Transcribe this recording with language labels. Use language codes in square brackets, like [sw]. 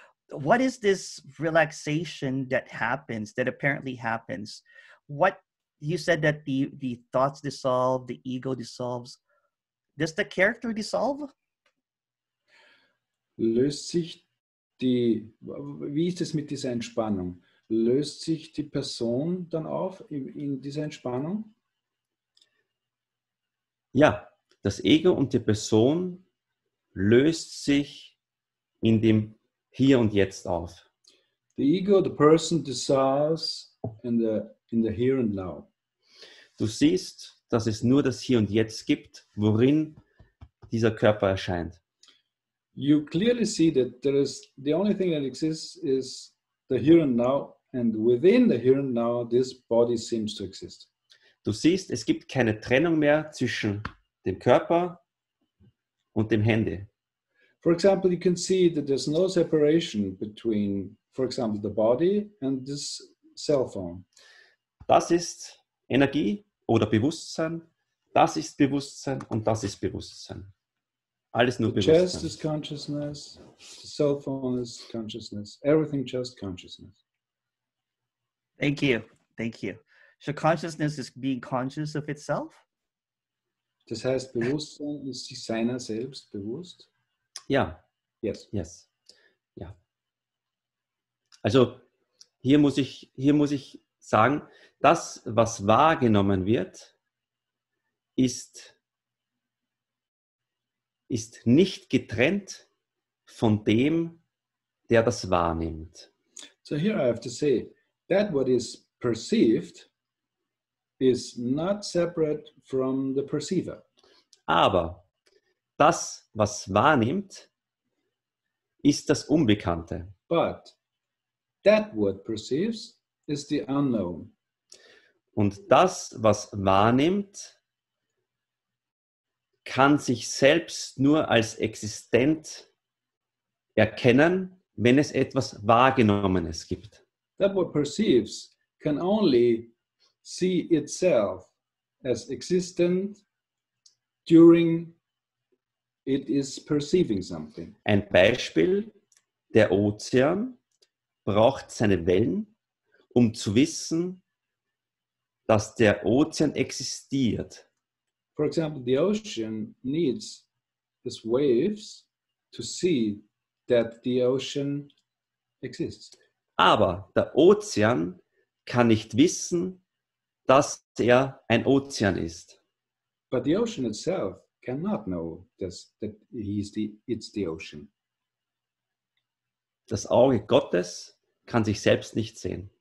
[en] What is this relaxation that happens, that apparently happens? What you said that the thoughts dissolve, the ego dissolves. Does the character dissolve? [de] Löst sich wie ist es mit dieser Entspannung? Löst sich die Person dann auf in dieser Entspannung? Ja, das Ego und die Person löst sich in dem Hier und Jetzt auf. [en] The ego, the person dissolves in the Here and Now. [de] Du siehst, dass es nur das Hier und Jetzt gibt, worin dieser Körper erscheint. [en] You clearly see that there is the only thing that exists is the Here and Now. And within the here and now, this body seems to exist. [de] Du siehst, es gibt keine Trennung mehr zwischen dem Körper und dem Handy. [en] For example, you can see that there's no separation between, for example, the body and this cell phone. [de] Das ist Energie oder Bewusstsein. Das ist Bewusstsein und das ist Bewusstsein. Alles nur [en] the [de] Bewusstsein. [en] The chest is consciousness. The cell phone is consciousness. Everything just consciousness. Thank you. So consciousness is being conscious of itself? [de] Das heißt, Bewusstsein ist sich seiner selbst bewusst? Ja. [en] Yes. Yes. [de] Ja. Also, hier muss ich sagen, das, was wahrgenommen wird, ist nicht getrennt von dem, der das wahrnimmt. [en] So here I have to say, that what is perceived is not separate from the perceiver. [de] Aber das, was wahrnimmt, ist das Unbekannte. [en] But that what perceives is the unknown. [de] Und das, was wahrnimmt, kann sich selbst nur als existent erkennen, wenn es etwas Wahrgenommenes gibt. [en] That what perceives can only see itself as existent during it is perceiving something. [de] Ein Beispiel, der Ozean braucht seine Wellen, um zu wissen, dass der Ozean existiert. [en] For example, the ocean needs its waves to see that the ocean exists. [de] Aber der Ozean kann nicht wissen, dass er ein Ozean ist. [en] But the ocean itself cannot know that it's the ocean. [de] Das Auge Gottes kann sich selbst nicht sehen.